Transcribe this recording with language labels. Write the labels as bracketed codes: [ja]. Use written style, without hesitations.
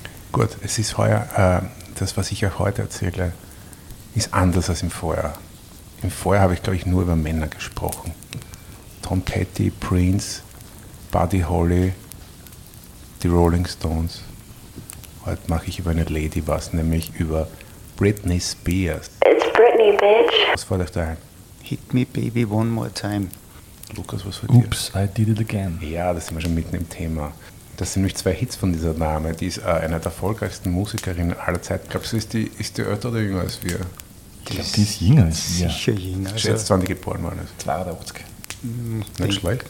[de] Gut, es ist heuer, das, was ich euch heute erzähle, ist anders als im Vorjahr. Im Vorjahr habe ich, glaube ich, nur über Männer gesprochen. Tom Petty, Prince, Buddy Holly, die Rolling Stones. Heute mache ich über eine Lady was, nämlich über Britney Spears. [en] It's Britney, bitch. [de] Was fällt euch da ein? [en] Hit me, baby, one more time. [de] Lukas, was für [en] dir? Oops, I did it again. [de] Ja, da sind wir schon mitten im Thema. Das sind nämlich zwei Hits von dieser Dame. Die ist eine der erfolgreichsten Musikerinnen aller Zeiten. Glaubst du, ist die älter oder jünger als wir? Ich glaube, die ist sicher jünger. Schätzt, wann die geboren worden ist? 82. Nicht schlecht?